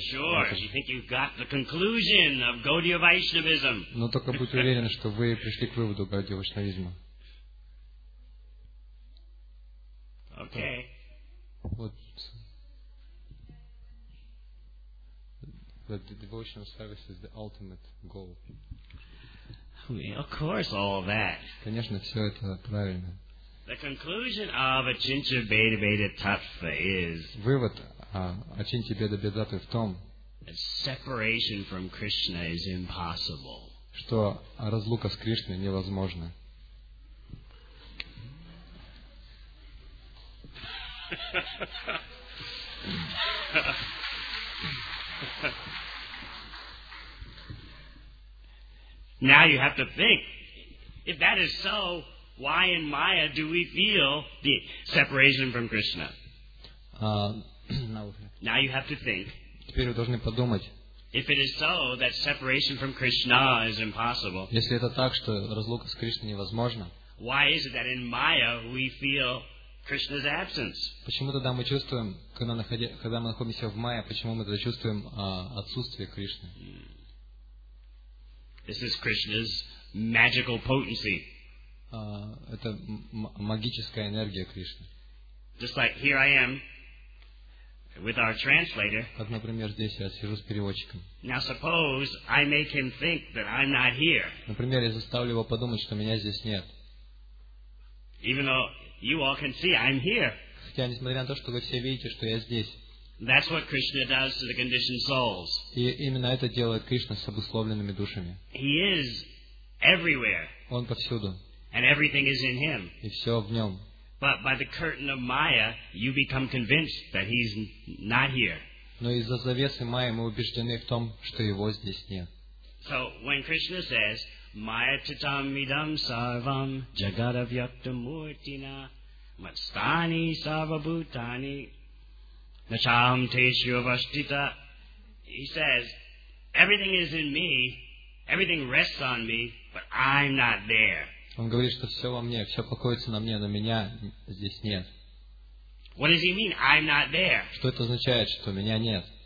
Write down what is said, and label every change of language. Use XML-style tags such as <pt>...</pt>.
<en>Sure, you think you've got the conclusion of Gaudiya Vaishnavism?</en> <ru>Но только будь уверен, что вы пришли к выводу Гаудия Вайшнавизма.</ru> <en>Okay. What? That the devotional service is the ultimate goal. Of course, all of that.</en> <ru>Конечно, все это правильно.</ru> <en>The conclusion of Achintya Beda Beda Tattva is.</en> <ru>Вывод Achintya Beda Beda Tattva в том.</ru> <en>That separation from Krishna is impossible.</en> <ru>Что разлука с Кришной невозможна.</ru> <en>Now you have to think, if that is so, why in Maya do we feel the separation from Krishna? Now you have to think.</en> <ru>Теперь вы должны подумать.</ru> <en>If it is so that separation from Krishna is impossible.</en> <ru>Если это так, что разлука с Кришной невозможна.</ru> <en>Why is it that in Maya we feel Krishna's absence?</en> <ru>Почему тогда мы чувствуем, когда мы находимся в Майе, почему мы тогда чувствуем отсутствие Кришны?</ru> <en>This is Krishna's magical potency.</en> <ru>Это магическая энергия Кришны.</ru> <en>Just like here I am with our translator.</en> <ru>Как, например, здесь я сижу с переводчиком.</ru> <en>Now suppose I make him think that I'm not here.</en> <ru>Например, я заставлю его подумать, что меня здесь нет.</ru> <en>Even though you all can see I'm here.</en> <ru>Хотя, несмотря на то, что вы все видите, что я здесь.</ru> <en>That's what Krishna does to the conditioned souls.</en> <ru>И именно это делает Кришна с обусловленными душами.</ru> <en>He is everywhere.</en> <ru>Он повсюду.</ru> <en>And everything is in him.</en> <ru>И все в нем.</ru> <en>But by the curtain of Maya, you become convinced that he's not here.</en> <ru>Но из-за завесы Майи мы убеждены в том, что его здесь нет.</ru> <en>So when Krishna says,</en> <sa>Maya Titam Midam Sarvam Jagadavyakta Murtina Matstani Sarvabhutani Nacham Teshu Vashtita,</sa> <en>he says, everything is in me, everything rests on me, but I'm not there.</en> <ru>Он говорит, что все во мне, все покоится на мне, но меня здесь нет.</ru> <en>What does he mean, I'm not there?</en> <ru>Что это означает, что меня нет?</ru>